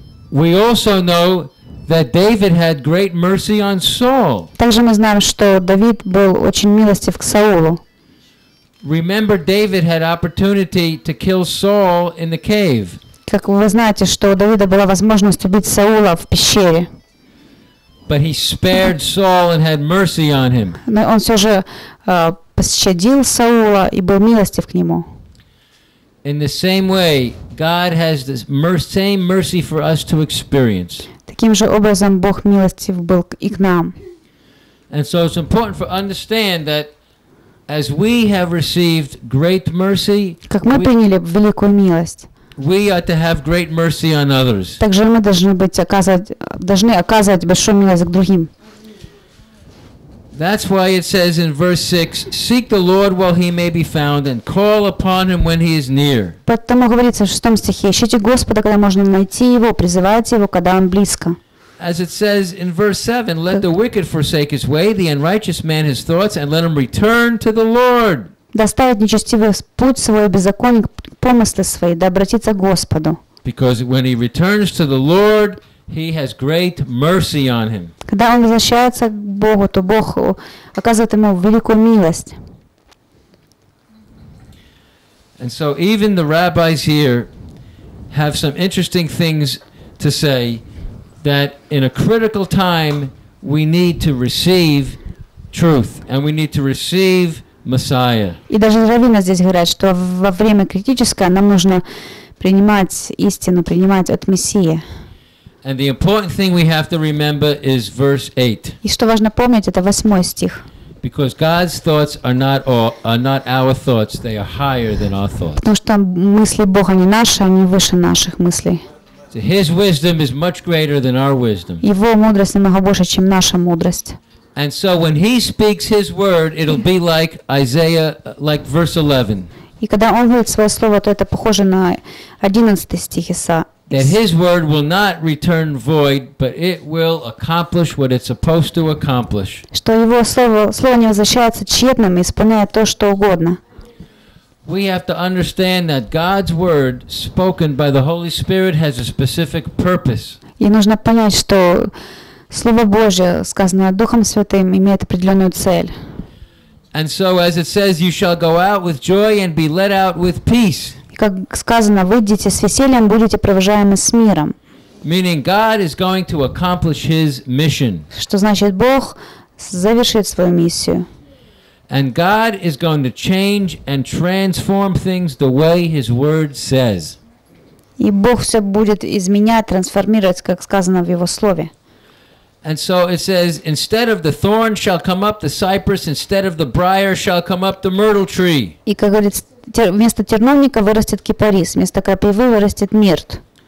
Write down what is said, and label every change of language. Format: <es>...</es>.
<en>We also know that David had great mercy on Saul.</en> <ru>Также мы знаем, что Давид был очень милостив к Саулу.</ru> <en>Remember, David had opportunity to kill Saul in the cave.</en> <ru>Как вы знаете, что у Давида была возможность убить Саула в пещере.</ru> <en>But he spared Saul and had mercy on him.</en> <ru>Но он все же пощадил Саула и был милостив к нему.</ru> <en>In the same way, God has the same mercy for us to experience.</en> <ru>Таким же образом Бог милостив был и к нам.</ru> <en>And so it's important to understand that as we have received great mercy,</en> <ru>как мы приняли великую милость,</ru> <en>we are to have great mercy on others.</en> <ru>Также мы должны оказывать большую милость к другим.</ru> <en>That's why it says in verse 6, seek the Lord while he may be found and call upon him when he is near.</en> <ru>Поэтому говорится в 6 стихе, ищите Господа, когда можно найти его, призывайте его, когда он близко.</ru> <en>As it says in verse 7, let the wicked forsake his way, the unrighteous man his thoughts, and let him return to the Lord.</en> <ru>Да оставит нечестивый путь свой, беззаконник помыслы свои, да обратится к Господу.</ru> <en>Because when he returns to the Lord, he has great mercy on him.</en> <ru>Когда он возвращается к Богу, то Бог оказывает ему великую милость.</ru> <en>And so even the rabbis here have some interesting things to say that in a critical time we need to receive truth and we need to receive Messiah.</en> <ru>И даже раввины здесь говорят, что во время критическое нам нужно принимать истину, принимать от Мессии.</ru> <en>And the important thing we have to remember is verse 8.</en> <ru>И что важно помнить, это восьмой стих.</ru> <en>Because God's thoughts are not our thoughts, they are higher than our thoughts.</en> <ru>Потому что мысли Бога не наши, они выше наших мыслей.</ru> <en>So His wisdom is much greater than our wisdom.</en> <ru>Его мудрость намного больше, чем наша мудрость.</ru> <en>And so when he speaks his word, it'll be like Isaiah, like verse 11.</en> <ru>И когда он говорит свое слово, то это похоже на 11 стих Исаии.</ru> <en>That his word will not return void, but it will accomplish what it's supposed to accomplish.</en> <ru>Что его слово не возвращается тщетным и исполняет то, что угодно.</ru> <en>We have to understand that God's word spoken by the Holy Spirit has a specific purpose.</en> <ru>И нужно понять, что слово Божье, сказанное Духом Святым, имеет определенную цель.</ru> <en>And so as it says, you shall go out with joy and be led out with peace.</en> <ru>Как сказано, выйдите с весельем, будете провожаемы с миром.</ru> <en>Meaning God is going to accomplish his mission.</en> <ru>Что значит, Бог завершит свою миссию.</ru> <en>And God is going to change and transform things the way his word says.</en> <ru>И Бог все будет изменять, трансформировать, как сказано в его слове.</ru> <en>And so it says, instead of the thorn shall come up the cypress, instead of the briar shall come up the myrtle tree.</en> <ru>И как говорится, вместо терновника вырастет кипарис, вместо крапивы вырастет мирт.</ru>